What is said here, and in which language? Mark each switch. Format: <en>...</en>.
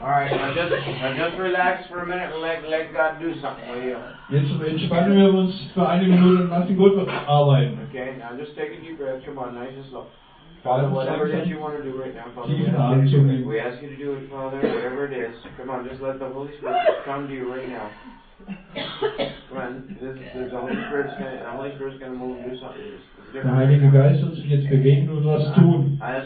<en>Alright, relax for a minute and let God do something for you.</en> <de>Jetzt entspannen wir uns für eine Minute und lassen Gott arbeiten.</de> <en>Okay, now just take a deep breath. Come on, nice and slow. Father, whatever it is you want to do right now, Father, we ask you to do it, Father, whatever it is. Come on, just let the Holy Spirit come to you right now.</en> <de>Der Heilige Geist wird sich jetzt bewegen und was tun.</de>